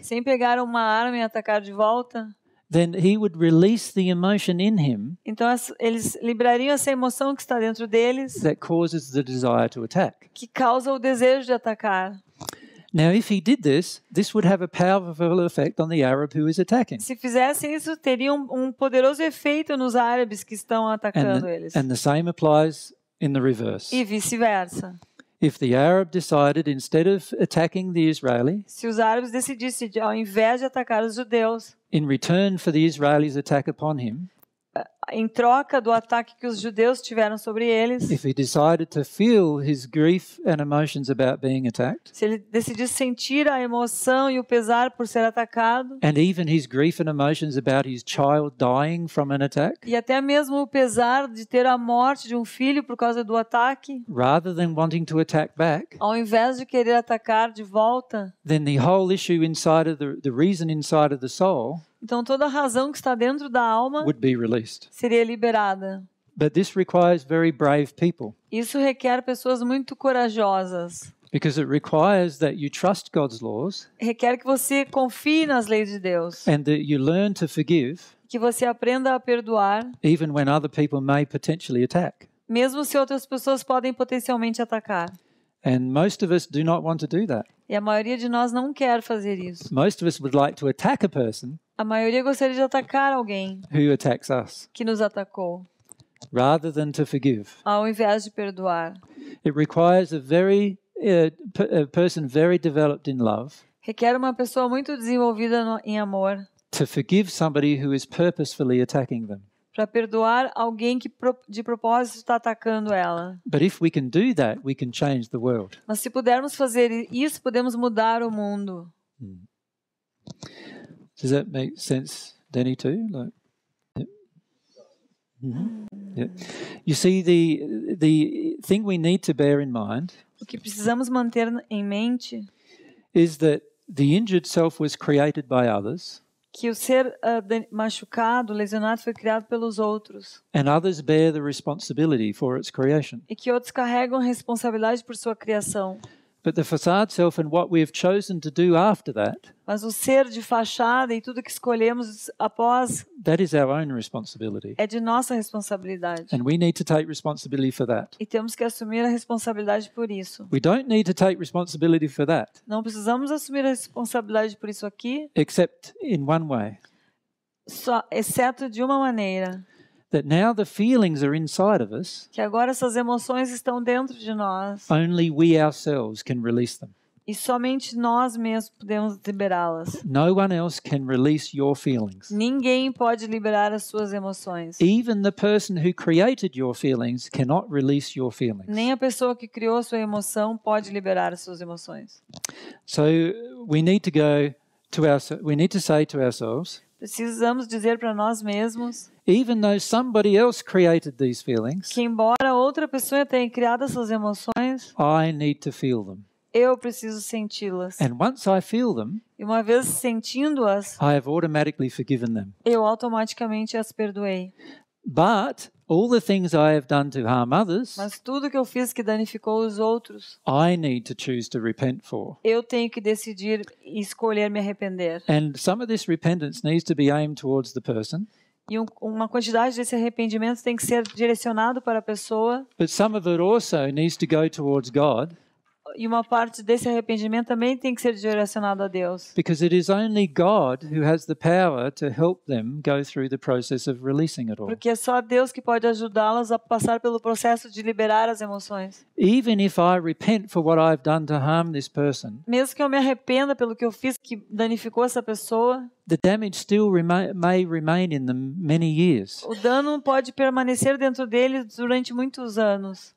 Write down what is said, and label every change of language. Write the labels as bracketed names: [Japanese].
[Portuguese] sem pegar uma arma e atacar de volta, [English] then he would release the emotion in him, [Portuguese] então eles librariam essa emoção que está dentro deles, [English] that causes the desire to attack, [Portuguese] que causa o desejo de atacar. [English] Now, if he did this, this would have a powerful effect on the Arab who is attacking. [Portuguese] Se fizesse isso, teria um poderoso efeito nos árabes que estão atacando eles. [English] And the same applies in the reverse. [Portuguese] E vice-versa. [English] If the Arab decided, instead of attacking the Israeli, [Portuguese] se os árabes decidissem, ao invés de atacar os judeus, [English] in return for the Israeli's attack upon him, [Portuguese] em troca do ataque que os judeus tiveram sobre eles, [English] if he decided to feel his grief and emotions about being attacked, [Portuguese] se ele decidisse sentir a emoção e o pesar por ser atacado, [English] and even his grief and emotions about his child dying from an attack, [Portuguese] e até mesmo o pesar de ter a morte de um filho por causa do ataque, [English] rather than wanting to attack back, [Portuguese] ao invés de querer atacar de volta, [English] then the whole issue inside of the reason inside of the soul, [Portuguese] então toda a razão que está dentro da alma [English] would be released, [Portuguese] seria liberada. [English] But this requires very brave people. [Portuguese] Isso requer pessoas muito corajosas. [English] Because it requires that you trust God's laws, [Portuguese] requer que você confie nas leis de Deus. [English] And that you learn to forgive, [Portuguese] que você aprenda a perdoar, [English] even when other people may potentially attack, [Portuguese] mesmo se outras pessoas podem potencialmente atacar. [English] And most of us do not want to do that. [Portuguese] E a maioria de nós não quer fazer isso. [English] Most of us would like to attack a person, [Portuguese] a maioria gostaria de atacar alguém, [English] who attacks us, [Portuguese] que nos atacou, [English] rather than to forgive, [Portuguese] ao invés de perdoar. [English] It requires a person very developed in love, [Portuguese] requer uma pessoa muito desenvolvida em amor, [English] to forgive somebody who is purposefully attacking them, [Portuguese] para perdoar alguém que de propósito está atacando ela. [English] But if we can do that, we can change the world. [Portuguese] Mas se pudermos fazer isso, podemos mudar o mundo. [English] Does that make sense, Denny, too? Like, You see, the thing we need to bear in mind, [Portuguese] o que precisamos manter em mente, [English] is that the injured self was created by others, [Portuguese] que o ser machucado, lesionado, foi criado pelos outros, [English] and others bear the responsibility for its creation, [Portuguese] e que outros carregam a responsabilidade por sua criação. [English] But the facade self and what we have chosen to do after that, [Portuguese] mas o ser de fachada e tudo que escolhemos após, [English] that is our own responsibility, [Portuguese] é de nossa responsabilidade, [English] and we need to take responsibility for that, [Portuguese] e temos que assumir a responsabilidade por isso. [English] We don't need to take responsibility for that, [Portuguese] não precisamos assumir a responsabilidade por isso aqui, [English] except in one way, [Portuguese] só, exceto de uma maneira, [English] that now the feelings are inside of us, [Portuguese] que agora essas emoções estão dentro de nós, [English] only we ourselves can release them, [Portuguese] e somente nós mesmos podemos liberá-las. [English] No one else can release your feelings, [Portuguese] ninguém pode liberar as suas emoções. [English] Even the person who created your feelings cannot release your feelings, [Portuguese] nem a pessoa que criou a sua emoção pode liberar as suas emoções. [English] So we need to go to our, we need to say to ourselves, [Portuguese] precisamos dizer para nós mesmos, [English] even though somebody else created these feelings, [Portuguese] que embora outra pessoa tenha criado essas emoções, [English] I need to feel them, [Portuguese] eu preciso senti-las. [English] And once I feel them, [Portuguese] e uma vez sentindo-as, [English] I have automatically forgiven them, [Portuguese] eu automaticamente as perdoei. [English] But all the things I have done to harm others, [Portuguese] mas tudo que eu fiz que danificou os outros, [English] I need to choose to repent for, [Portuguese] eu tenho que decidir e escolher me arrepender. [English] And some of this repentance needs to be aimed towards the person, [Portuguese] e uma quantidade desse arrependimento tem que ser direcionado para a pessoa, [English] but some of it also needs to go towards God, [Portuguese] e uma parte desse arrependimento também tem que ser direcionado a Deus, [English] because it is only God who has the power to help them go through the process of releasing it all, [Portuguese] porque é só Deus que pode ajudá-las a passar pelo processo de liberar as emoções. [English] Even if I repent for what I've done to harm this person, [Portuguese] mesmo que eu me arrependa pelo que eu fiz que danificou essa pessoa, [English] the damage still may remain in them many years, [Portuguese] o dano pode permanecer dentro deles durante muitos anos.